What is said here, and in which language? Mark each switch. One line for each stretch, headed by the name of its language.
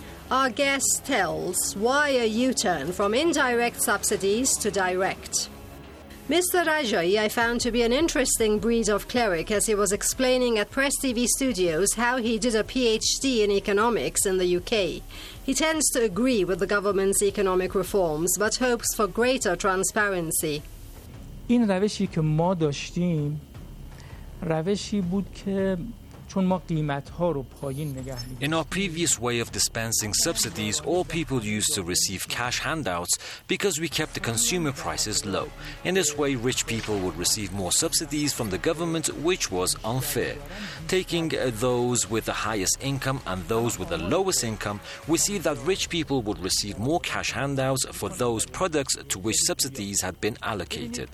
English: Our guest tells why a U-turn from indirect subsidies to direct. Mr. Rajai I found to be an interesting breed of cleric as he was explaining at Press TV Studios how he did a PhD in economics in the UK. He tends to agree with the government's economic reforms but hopes for greater transparency.
Persian: این روشی که ما داشتیم روشی بود که
English: In our previous way of dispensing subsidies, all people used to receive cash handouts because we kept the consumer prices low. In this way, rich people would receive more subsidies from the government, which was unfair. Taking those with the highest income and those with the lowest income, we see that rich people would receive more cash handouts for those products to which subsidies had been allocated.